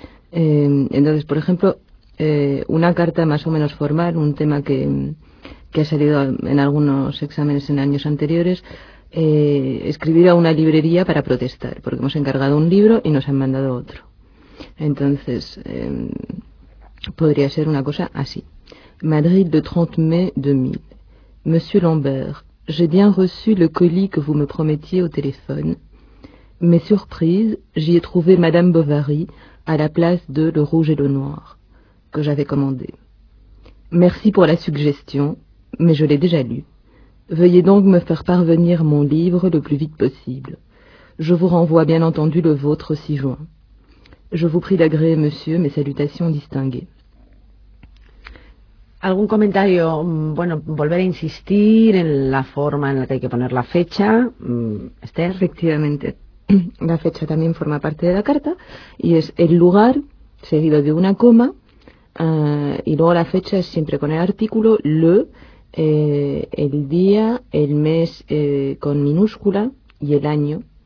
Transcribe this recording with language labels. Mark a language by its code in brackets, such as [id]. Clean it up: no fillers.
[es] Entonces, por ejemplo, una carta más o menos formal, un tema que ha salido en algunos exámenes en años anteriores, escribir a una librería para protestar, porque hemos encargado un libro y nos han mandado otro. Entonces, podría ser una cosa así. [fr] Madrid, le 30 mai 2000. Monsieur Lambert, j'ai bien reçu le colis que vous me promettiez au téléphone. Mais surprise, j'y ai trouvé Madame Bovary à la place de Le Rouge et le Noir. que j'avais commandé. Merci pour la suggestion, mais je l'ai déjà lu. Veuillez donc me faire parvenir mon livre le plus vite possible. Je vous renvoie bien entendu le vôtre 6 juin. Je vous prie d'agréer, monsieur, mes salutations distinguées. [es] ¿Algún comentario? Bueno, volver a insistir en la forma en la que hay que poner la fecha, Esther. Efectivamente. La fecha también forma parte de la carta y es el lugar seguido de una coma y luego la fecha es siempre con el artículo, le, el día, el mes con minúscula y el año.